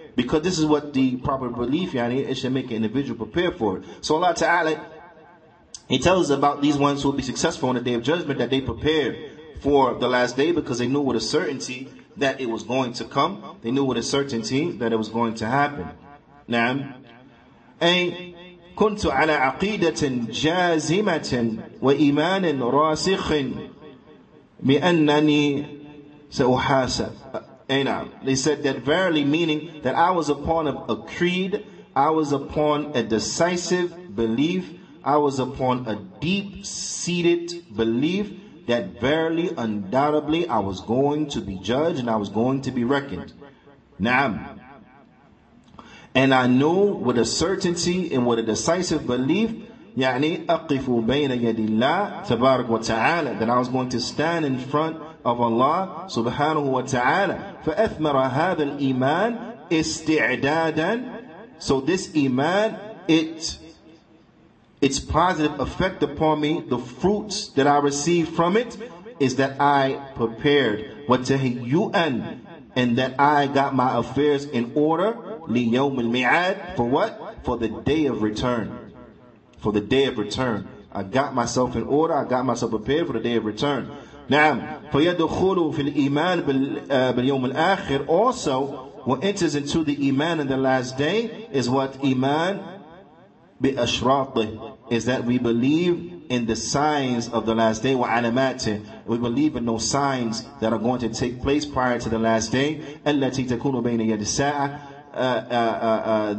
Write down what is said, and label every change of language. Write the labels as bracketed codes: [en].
[en] Because this is what the proper belief, yani, it should make an individual prepare for it. So Allah Ta'ala, he tells us about these ones who will be successful on the Day of Judgment, that they prepared for the last day because they knew with a certainty that it was going to come. They knew with a certainty that it was going to happen. Na'am. And [ar] كنت على عقيدة جازمة وإيمان راسخ بأنني سأحاسب. نعم. [en] They said that verily, meaning that I was upon a creed, I was upon a decisive belief, I was upon a deep-seated belief that verily, undoubtedly, I was going to be judged and I was going to be reckoned. نعم. And I knew with a certainty and with a decisive belief, [ar] يعني أقف بين يد الله تبارك وتعالى, [en] that I was going to stand in front of Allah سبحانه وتعالى. [ar] فأثمر هذا الإيمان استعدادا. [en] So this iman, its positive effect upon me, the fruits that I received from it, is that I prepared وتهيؤا, and that I got my affairs in order. [ar] ليوم الميعاد. [en] For what? For the Day of Return. For the Day of Return. I got myself in order. I got myself prepared for the Day of Return. [ar] نعم. فيدخلوا في الإيمان باليوم الآخر. [en] Also, what enters into the iman in the last day is what? [ar] Iman بأشراطه. [en] Is that we believe in the signs of the last day. [ar] وعلاماته. [en] We believe in those signs that are going to take place prior to the last day. [ar] التي تكون بين يد الساعة.